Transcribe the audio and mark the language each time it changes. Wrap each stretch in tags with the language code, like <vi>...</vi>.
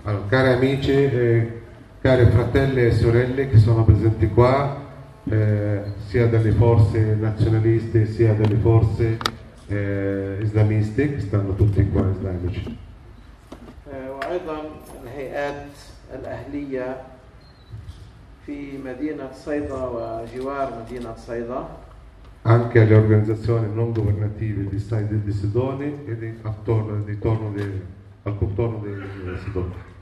<it>Cari amici, cari fratelli e sorelle che sono presenti qua, sia delle forze nazionaliste sia delle forze islamiste, che stanno tutti qua islamici.</it> <ar>وأيضا الهيئات الأهلية في مدينة صيدا وجوار مدينة صيدا.</ar> <it>Anche le organizzazioni non governative di Said di Sidone e di attorno di torno di, al contorno di Sidone.</it>